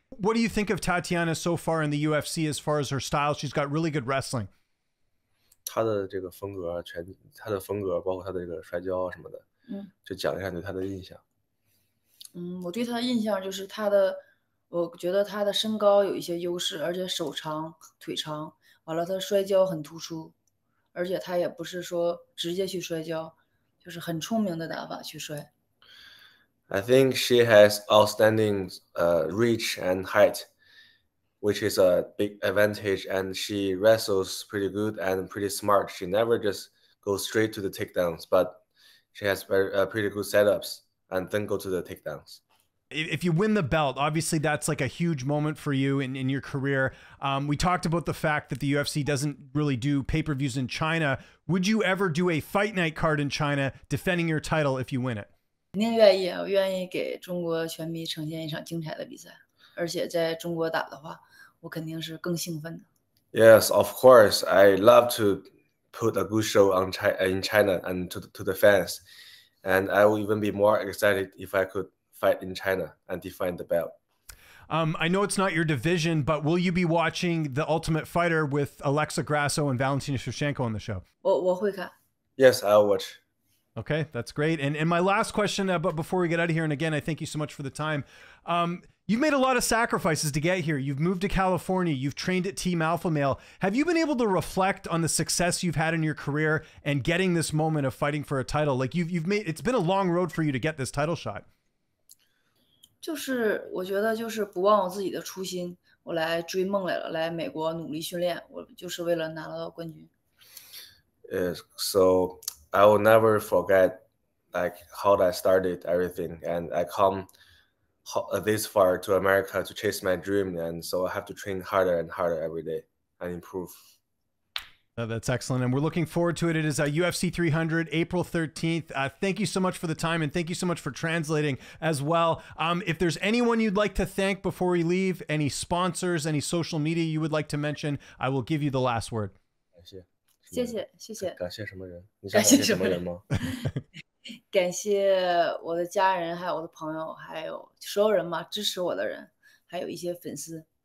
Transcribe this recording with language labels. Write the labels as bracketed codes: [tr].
[en] What do you think of Tatiana so far in the UFC as far as her style? She's got really good wrestling. [zh] 她的这个风格，全她的风格，包括她的这个摔跤什么的。就讲一下对她的印象。我对她的印象就是她的，我觉得她的身高有一些优势，而且手长腿长，完了她摔跤很突出，而且她也不是说直接去摔跤，就是很聪明的打法去摔。 [en] I think she has outstanding reach and height, which is a big advantage, and she wrestles pretty good and pretty smart. She never just goes straight to the takedowns, but she has pretty good setups and then go to the takedowns. If you win the belt, obviously that's like a huge moment for you in your career. We talked about the fact that the UFC doesn't really do pay-per-views in China. Would you ever do a fight night card in China defending your title if you win it? [zh] 肯定愿意，我愿意给中国拳迷呈现一场精彩的比赛，而且在中国打的话，我肯定是更兴奋的。 [en] Yes, of course. I love to put a good show on in China and to the fans. And I will even be more excited if I could fight in China and defend the belt. I know it's not your division, but will you be watching The Ultimate Fighter with Alexa Grasso and Valentina Shevchenko on the show? [zh] 我会看。 [en] Yes, I'll watch. Okay, that's great. And my last question, but before we get out of here, and again, I thank you so much for the time. You've made a lot of sacrifices to get here. You've moved to California. You've trained at Team Alpha Male. Have you been able to reflect on the success you've had in your career and getting this moment of fighting for a title? Like you've made, it's been a long road for you to get this title shot. [zh] 就是我觉得就是不忘我自己的初心，我来追梦来了，来美国努力训练，我就是为了拿到冠军。 [en] So... I will never forget like how I started everything, and I come this far to America to chase my dream, and so I have to train harder and harder every day and improve. That's excellent, and we're looking forward to it. It is UFC 300, April 13th. Thank you so much for the time, and thank you so much for translating as well. If there's anyone you'd like to thank before we leave, any sponsors, any social media you would like to mention, I will give you the last word. Thank you. [zh] 谢谢谢谢，感谢什么人？你想感谢什么人吗？感谢我的家人，还有我的朋友，还有所有人嘛，支持我的人，还有一些粉丝。